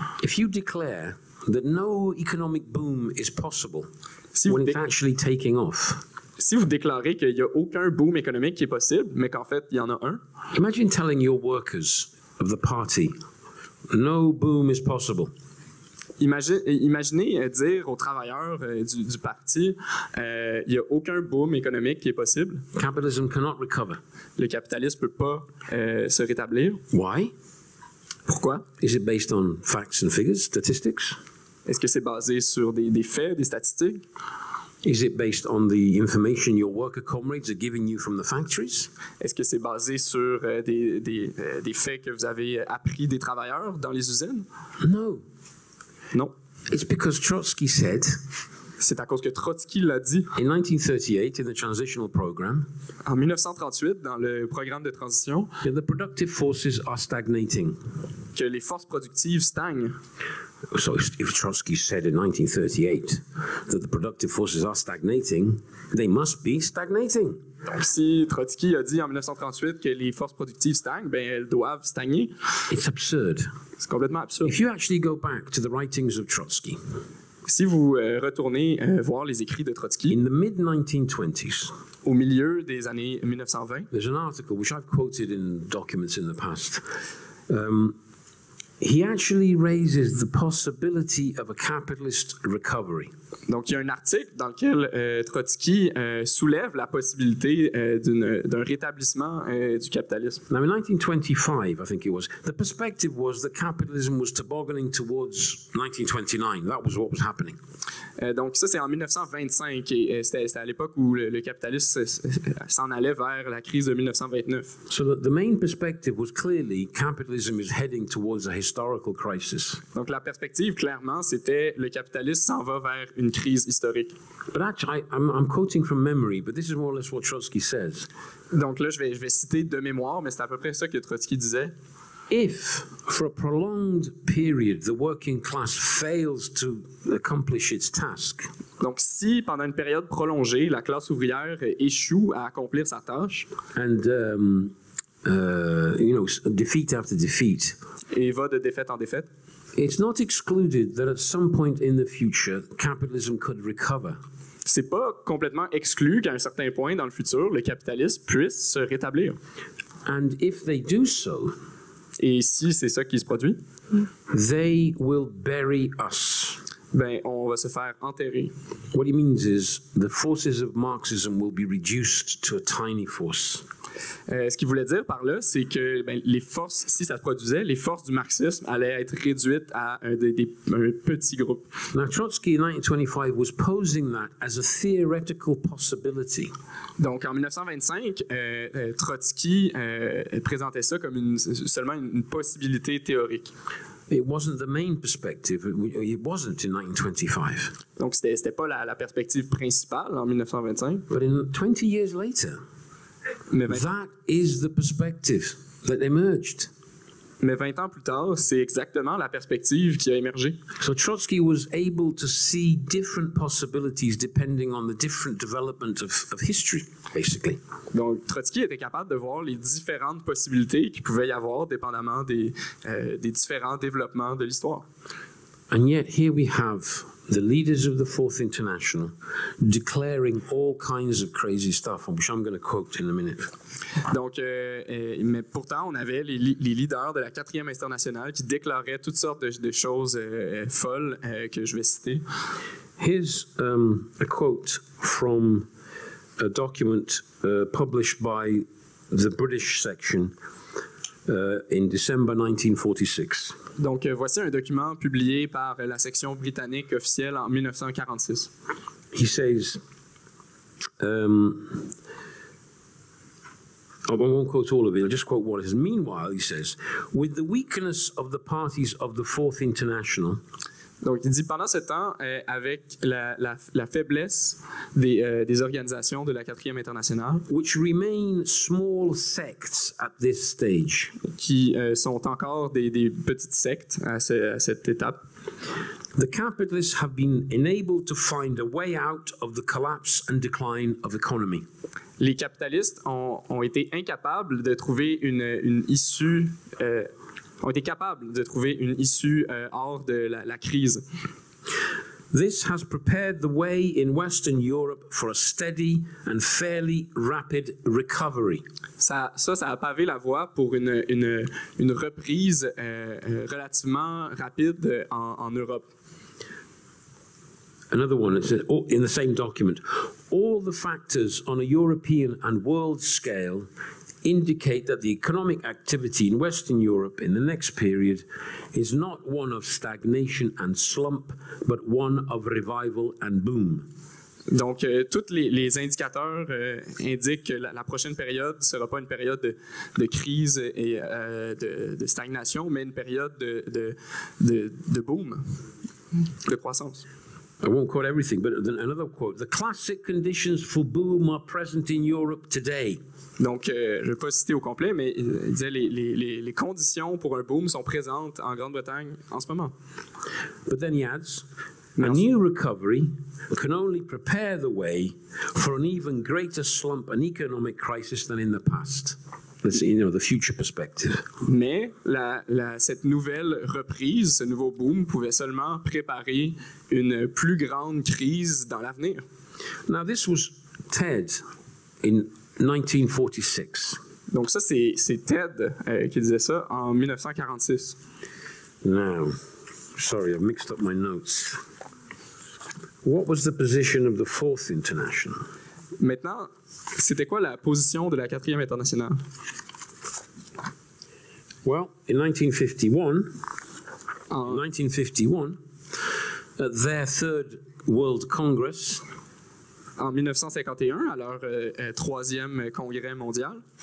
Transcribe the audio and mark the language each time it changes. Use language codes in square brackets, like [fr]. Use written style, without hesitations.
[en] If you declare that no economic boom is possible when it's actually taking off. [fr] Si vous déclarez qu'il n'y a aucun boom économique qui est possible, mais qu'en fait il y en a un. [en] Imagine telling your workers of the party. No boom is possible. [fr] Imaginez dire aux travailleurs du parti, il y a aucun boom économique qui est possible. [en] Capitalism cannot recover. [fr] Le capitalisme peut pas se rétablir. [en] Why? [fr] Pourquoi? [en] Is it based on facts and figures, statistics? [fr] Est-ce que c'est basé sur des faits, des statistiques? [en] Is it based on the information your worker comrades are giving you from the factories? [fr] Est-ce que c'est basé sur des faits que vous avez appris des travailleurs dans les usines? [en] No. [fr] Non. [en] It's because Trotsky said. [fr] C'est à cause que Trotsky l'a dit. [en] In 1938, in the transitional program. [fr] En 1938, dans le programme de transition. [en] That the productive forces are stagnating. [fr] Que les forces productives stagnent. [en] So if Trotsky said in 1938 that the productive forces are stagnating, they must be stagnating. [fr] Donc si Trotsky a dit en 1938 que les forces productives stagnent, ben elles doivent stagner. [en] It's absurd. [fr] C'est complètement absurde. [en] If you actually go back to the writings of Trotsky. [fr] Si vous retournez voir les écrits de Trotsky. [en] In the mid-1920s. [fr] Au milieu des années 1920. [en] There's an article which I've quoted in documents in the past. He actually raises the possibility of a capitalist recovery. [fr] Donc il y a un article dans lequel Trotsky soulève la possibilité d'un rétablissement du capitalisme. [en] Now, in 1925, I think it was, the perspective was that capitalism was tobogganing towards 1929. That was what was happening. [fr] Donc ça c'est en 1925 et c'était à l'époque où le capitalisme s'en allait vers la crise de 1929. [en] So the main perspective was clearly capitalism is heading towards a historical crisis. [fr] Donc la perspective clairement c'était le capitalisme s'en va vers une crise historique. [en] But actually, I'm quoting from memory, but this is more or less what Trotsky says. [fr] Donc là je vais citer de mémoire, mais c'est à peu près ça que Trotsky disait. [en] If for a prolonged period the working class fails to accomplish its task. [fr] Donc si pendant une période prolongée la classe ouvrière échoue à accomplir sa tâche. [en] And you know, defeat after defeat. [fr] Et va de défaite en défaite. [en] It's not excluded that at some point in the future capitalism could recover. [fr] C'est pas complètement exclu qu'à un certain point dans le futur le capitalisme puisse se rétablir. [en] And if they do so. [fr] Et si c'est ça qui se produit? [en] They will bury us. [fr] Ben, on va se faire enterrer. [en] What he means is the forces of Marxism will be reduced to a tiny force. [fr] Ce qu'il voulait dire par là, c'est que ben, les forces, si ça se produisait, les forces du marxisme allaient être réduites à un petit groupe. [en] Now, Trotsky, in 1925, was posing that as a theoretical possibility. [fr] Donc, en 1925, Trotsky présentait ça comme seulement une possibilité théorique. [en] It wasn't the main perspective. It wasn't in 1925. [fr] Donc, c'était pas la perspective principale en 1925. [en] But in 20 years later. That is the perspective that emerged. [fr] Mais 20 ans plus tard, c'est exactement la perspective qui a émergé. [en] So Trotsky was able to see different possibilities depending on the different development of history, basically. [fr] Donc Trotsky était capable de voir les différentes possibilités qu'il pouvait y avoir dépendamment des différents développements de l'histoire. [en] And yet here we have the leaders of the Fourth International declaring all kinds of crazy stuff, which I'm going to quote in a minute. [fr] Donc, mais pourtant, on avait les leaders de la Quatrième Internationale qui déclaraient toutes sortes de choses folles que je vais citer. [en] Here's a quote from a document published by the British section in December 1946. [fr] Donc, voici un document publié par la section britannique officielle en 1946. [en] He says, I won't quote all of it, I'll just quote what it says. Meanwhile, he says, with the weakness of the parties of the Fourth International. [fr] Donc, il dit, pendant ce temps, avec la faiblesse des organisations de la Quatrième Internationale, [en] which remain small sects at this stage, [fr] qui sont encore des petites sectes à cette étape, [en] the capitalists have been enabled to find a way out of the collapse and decline of economy. [fr] Les capitalistes ont été incapables de trouver une issue ont été capables de trouver une issue hors de la crise. [en] This has prepared the way in Western Europe for a steady and fairly rapid recovery. [fr] Ça a pavé la voie pour une reprise relativement rapide en Europe. [en] Another one, it says, in the same document, all the factors on a European and world scale indicate that the economic activity in Western Europe in the next period is not one of stagnation and slump, but one of revival and boom. [fr] Donc, tous les indicateurs indiquent que la prochaine période ne sera pas une période de crise et de stagnation, mais une période de boom, de croissance. [en] I won't quote everything, but another quote. The classic conditions for boom are present in Europe today. [fr] Donc, je ne vais pas citer au complet, mais il disait les conditions pour un boom sont présentes en Grande-Bretagne en ce moment. [en] But then he adds, a new recovery can only prepare the way for an even greater slump and economic crisis than in the past. That's, you know, the future perspective. [fr] Mais cette nouvelle reprise, ce nouveau boom, pouvait seulement préparer une plus grande crise dans l'avenir. [en] Now, this was Ted in 1946. [fr] Donc ça, c'est Ted qui disait ça en 1946. [en] Now, sorry, I've mixed up my notes. What was the position of the Fourth International? [fr] Maintenant, c'était quoi la position de la Quatrième Internationale? [en] Well, in 1951, at their Third World Congress, [fr] en 1951, à leur troisième congrès mondial,